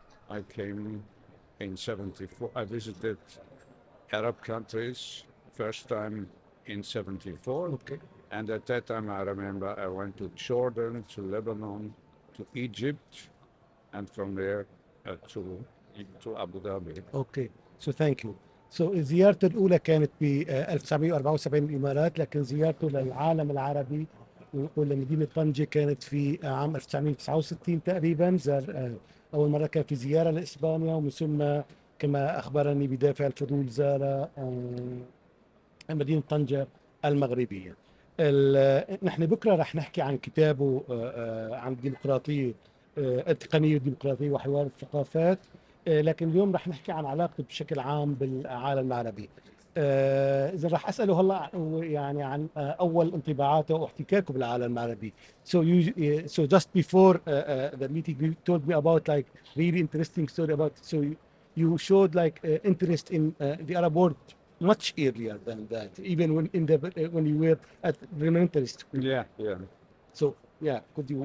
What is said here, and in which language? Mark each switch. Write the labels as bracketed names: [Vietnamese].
[English] I came in 74. I visited Arab countries first time in 74. Okay. And at that time, I remember I went to Jordan, to Lebanon, to Egypt, and from there to Abu Dhabi. Okay, so thank you. [Arabic] So زيارته الأولى كانت ب 1974 الإمارات، لكن زيارته للعالم العربي ولمدينة طنجة كانت في عام 1969 تقريبا. زار أول مرة كان في زيارة لإسبانيا، ومن ثم كما أخبرني بدافع الفضول زار مدينة طنجة المغربية. نحن بكرة رح نحكي عن كتابه عن الديمقراطية، التقنية والديمقراطية وحوار الثقافات، لكن اليوم رح نحكي عن علاقته بشكل عام بالعالم العربي. إذا رح أسأله هلا يعني عن أول انطباعاته واحتكاكه بالعالم العربي. [English] So just before the meeting, you told me about like really interesting story about, so you showed like interest in the Arab world much earlier than that, even when you were at the elementary school. Yeah, yeah. So yeah, could you